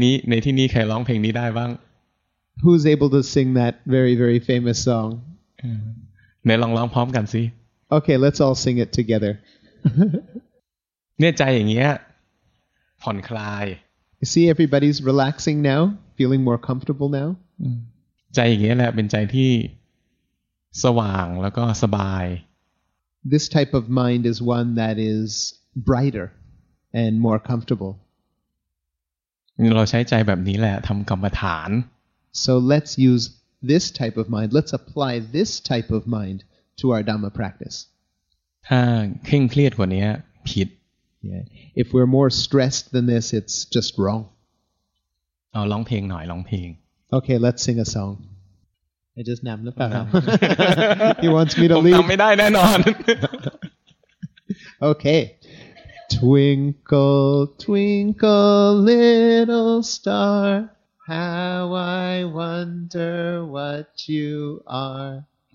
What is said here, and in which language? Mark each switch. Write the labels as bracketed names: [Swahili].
[Thai] ในที่นี้ใครร้องเพลงนี้ได้บ้าง [English] Who's able to sing that very very famous song [Thai] ไหนลองร้องพร้อมกันสิ [English] Okay let's all sing it together [Thai] เนี่ยใจอย่างเงี้ยผ่อนคลาย [English] You see everybody's relaxing now feeling more comfortable now [Thai] ใจอย่างนี้แหละเป็นใจที่สว่างแล้วก็สบาย [English] This type of mind is one that is brighter and more comfortable. [Thai] เราใช้ใจแบบนี้แหละทำกรรมฐาน [English] So let's use this type of mind. Let's apply this type of mind to our Dhamma practice. [Thai] ถ้าเคร่งเครียดกว่านี้ผิด [English] If we're more stressed than this, it's just wrong. [Thai] เอาร้องเพลงหน่อยร้องเพลง [English] Okay, let's sing a song. I just nam the pa. He wants me to leave. [Thai] ทําไม่ได้แน่นอน [English] Okay. Twinkle, twinkle little star, how I wonder what you are.